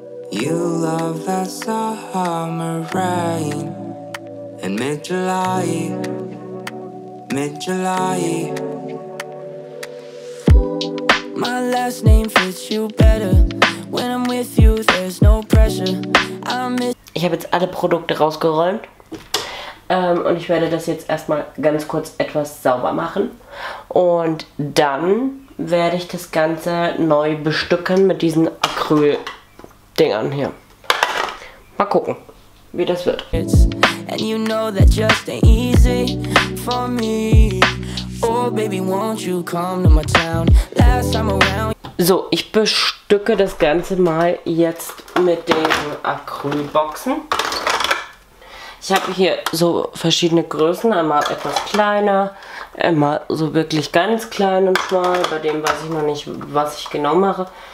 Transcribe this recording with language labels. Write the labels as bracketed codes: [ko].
[en] You love that summer rain in mid-July, mid-July. My last name fits you better. When I'm with you, there's no pressure. [de] Ich habe jetzt alle Produkte rausgeräumt. Und ich werde das jetzt erstmal ganz kurz etwas sauber machen. Und dann werde ich das Ganze neu bestücken mit diesen Acryl-Dingern hier. Mal gucken, wie das wird. [en] And you know that just ain't easy for me. Oh baby, won't you come to my town last time around. [de] So, ich bestücke das Ganze mal jetzt mit den Acrylboxen. Ich habe hier so verschiedene Größen, einmal etwas kleiner, einmal so wirklich ganz klein und schmal, bei dem weiß ich noch nicht, was ich genau mache.